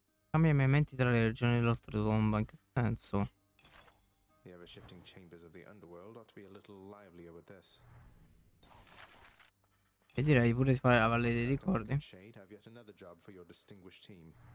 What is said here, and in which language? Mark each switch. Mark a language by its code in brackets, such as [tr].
[it] Cambia i miei menti tra le regioni dell'oltretomba, in che senso? [en] The ever shifting chambers of the underworld ought to be a little livelier with this. [it] E direi pure di fare la valle dei ricordi. [en] Shade, have yet another job for your distinguished team.